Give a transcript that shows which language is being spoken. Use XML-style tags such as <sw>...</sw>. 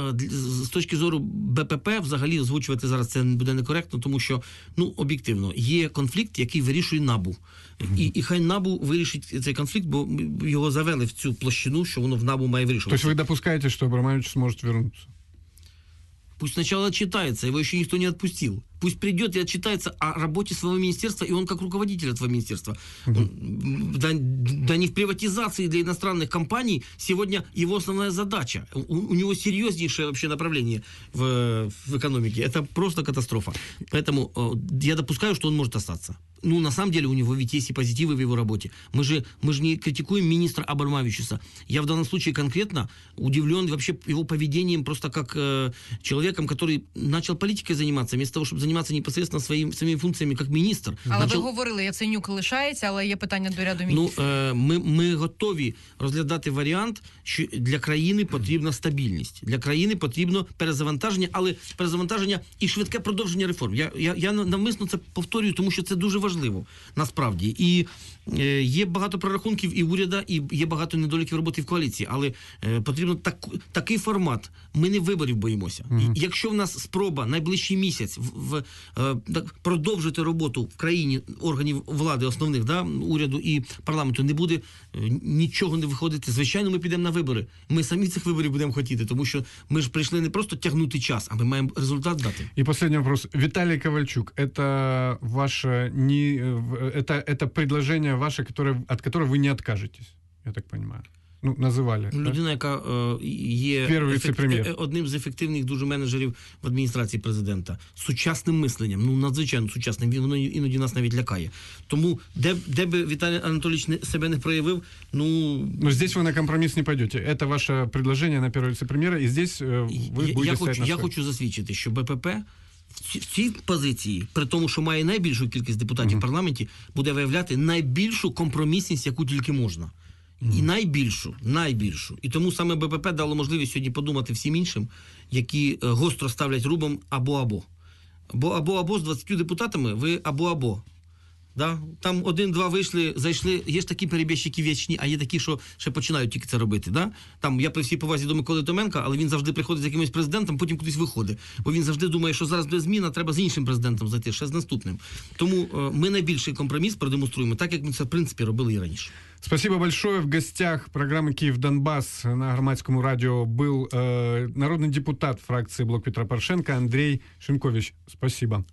<uk>З точки зору БПП, взагалі озвучувати зараз це буде некоректно, тому що, ну, об'єктивно, є конфлікт, який вирішує НАБУ. І хай НАБУ вирішить цей конфлікт, бо його завели в цю площину, що воно в НАБУ має вирішуватися. Тобто ви допускаєте, що Абрамович зможе повернутися?</uk> <ru>Пусть сначала отчитается, его еще никто не отпустил. Пусть придет и отчитается о работе своего министерства, и он как руководитель этого министерства. Mm-hmm. Да не в приватизации для иностранных компаний сегодня его основная задача. У него серьезнейшее вообще направление в экономике. Это просто катастрофа. Поэтому я допускаю, что он может остаться. Ну, на самом деле, у него ведь есть и позитивы в его работе. Мы же не критикуем министра Абрамовича. Я в данном случае конкретно удивлен вообще его поведением просто как человеком, который начал политикой заниматься, вместо того, чтобы заниматься непосредственно своими функциями как министр.</ru> <uk>Але начал... ви говорили, Яценюк лишається, але є питання до ряду міністрів. Ну, ми готові розглядати варіант, що для країни потрібна стабільність. Для країни потрібно перезавантаження, але перезавантаження і швидке продовження реформ. Я навмисно це повторюю, тому що це дуже важливо, насправді. І є багато прорахунків і уряду, і є багато недоліків роботи в коаліції, але потрібно такий формат. Ми не виборів боїмося. Mm-hmm. Якщо в нас спроба найближчий місяць продовжити роботу в країні органів влади основних, да, уряду і парламенту, не буде нічого не виходити. Звичайно, ми підемо на вибори. Ми самі цих виборів будемо хотіти, тому що ми ж прийшли не просто тягнути час, а ми маємо результат дати. І останній вопрос.</uk> <ru>Віталій Ковальчук,</ru> <uk>це ваше</uk> <ru>это предложение ваше, от которого вы не откажетесь, я так понимаю. Ну, называли.</ru> <uk>Людина, яка є одним з ефективних дуже менеджерів в адміністрації президента. Сучасним мисленням, ну, надзвичайно сучасним, воно іноді нас навіть лякає. Тому, де би Віталій Анатолійович себе не проявив, ну...</uk> <ru>Ну, здесь ви на компроміс не пойдете. Это ваше предложение на первого</ru> <uk>віце-прем'єра, і</uk> <ru>здесь ви будете стоять на</ru> <uk>своє. Я хочу засвідчити, що БПП в цій позиції, при тому, що має найбільшу кількість депутатів в парламенті, буде виявляти найбільшу компромісність, яку тільки можна. І найбільшу. І тому саме БПП дало можливість сьогодні подумати всім іншим, які гостро ставлять рубом або-або. Бо або-або з 20 депутатами ви або-або. Да? Там один-два вийшли, зайшли. Є ж такі перебіжчики вічні, а є такі, що ще починають тільки це робити. Да? Там я при всій повазі до Миколи Томенка, але він завжди приходить з якимось президентом, потім кудись виходить. Бо він завжди думає, що зараз без зміна, треба з іншим президентом зайти, ще з наступним. Тому ми найбільший компроміс продемонструємо, так як ми це в принципі робили і раніше.</uk> <ru>Спасибо большое. В гостях программы «Киев-Донбасс» на Громадському радио был народный депутат фракции «Блок Петра Порошенко» Андрей Шинькович. Спасибо.</ru>